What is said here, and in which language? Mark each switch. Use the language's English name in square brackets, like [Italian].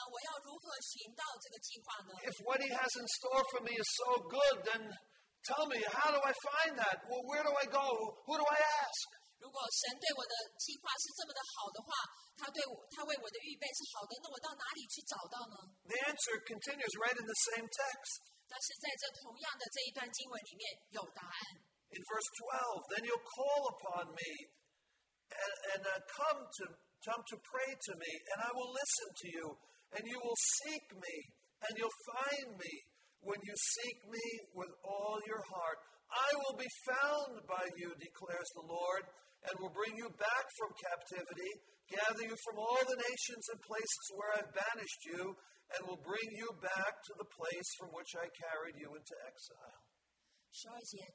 [Chinese] 但是可能我们现在就是说，那我的未来在哪里呢？神对我的计划是什么呢？我要如何寻到这个计划呢？ [English] If what he has in store for me is so good, then tell me, how do I find that? Well, where do I go? Who do I ask? [Chinese] 如果神对我的计划是这么的好的话，他为我的预备是好的，那我到哪里去找到呢？ [English] The answer continues right in the same text. [Chinese] 但是在这同样的这一段经文里面有答案。 [English] In verse 12, then you'll call upon me and come to pray to me, and I will listen to you, and you will seek me, and you'll find me. When you seek me with all your heart, I will be found by you, declares the Lord, and will bring you back from captivity, gather you from all the nations and places where I've banished you, and will bring you back to the place from which I carried you into exile.